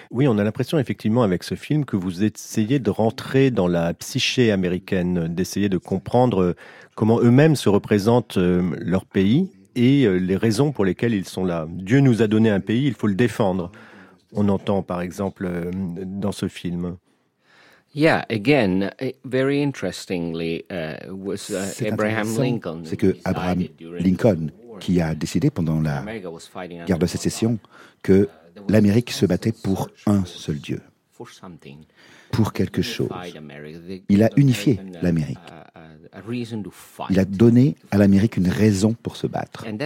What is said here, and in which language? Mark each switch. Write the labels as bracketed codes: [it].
[fr] Oui, on a l'impression effectivement avec ce film que vous essayez de rentrer dans la psyché américaine, d'essayer de comprendre comment eux-mêmes se représentent leur pays et les raisons pour lesquelles ils sont là. Dieu nous a donné un pays, il faut le défendre. On entend par exemple dans ce film. [en] Yeah, again, very interestingly, was Abraham Lincoln. [fr] C'est que Abraham Lincoln qui a décidé pendant la guerre de sécession que l'Amérique se battait pour un seul Dieu, pour quelque chose. Il a unifié l'Amérique. Il a donné à l'Amérique une raison pour se battre.